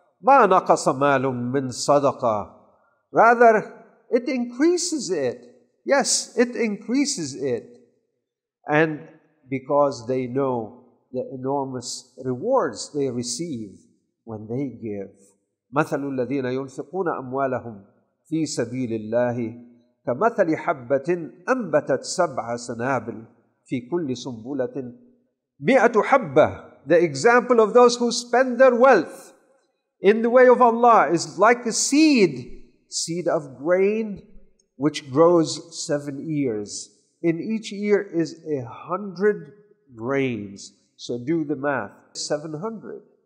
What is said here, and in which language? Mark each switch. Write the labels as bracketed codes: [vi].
[ar] ما نقص مال من صدقة. [en] Rather, it increases it. Yes, it increases it. And because they know the enormous rewards they receive when they give. [ar] مثل الذين ينفقون أموالهم في سبيل الله كمثل حبة أنبتت سبع سنابل في كل سنبلة 100 حبة [en] The example of those who spend their wealth in the way of Allah is like a seed of grain which grows 7 years. In each year is 100 grains. So do the math. 700.